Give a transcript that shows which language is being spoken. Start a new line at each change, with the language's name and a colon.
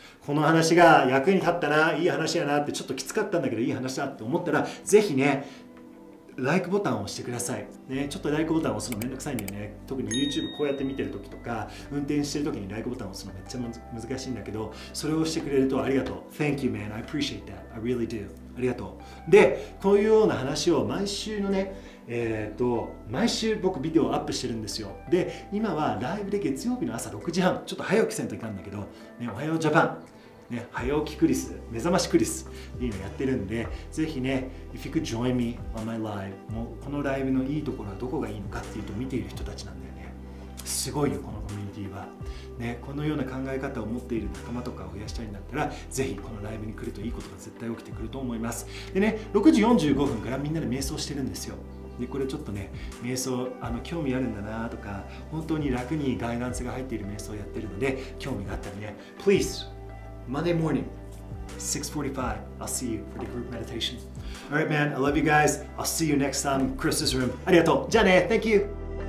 Japanese: この話が役に立ったな、いい話やなってちょっときつかったんだけどいい話だって思ったらぜひねLikeボタンを押してください、ね、ちょっとLikeボタンを押すのめんどくさいんだよね。特に YouTube こうやって見てる時とか運転してる時にLikeボタンを押すのめっちゃ難しいんだけどそれを押してくれるとありがとう。
English: Thank you man, I appreciate that, I really do.
Japanese: ありがとう。で、こういうような話を毎週のね毎週僕ビデオアップしてるんですよ。で、今はライブで月曜日の朝6時半ちょっと早起きせんといかんだけど、ね、おはようジャパンね、早起きクリス、目覚ましクリスっていうのやってるんで、ぜひね、
English: If you could join me on my live、
Japanese: もうこのライブのいいところはどこがいいのかっていうと、見ている人たちなんだよね。すごいよ、このコミュニティは。ね、このような考え方を持っている仲間とかを増やしたいんだったら、ぜひこのライブに来るといいことが絶対起きてくると思います。でね、6時45分からみんなで瞑想してるんですよ。でこれちょっとね瞑想興味あるんだなとか、本当に楽にガイダンスが入っている瞑想をやってるので、興味があったらね、
English: Please! Monday morning, 6:45. I'll see you for the group meditation. All right, man. I love you guys. I'll see you next time in Chris's room.
Japanese: ありがとう。じゃあね。
English: Thank you.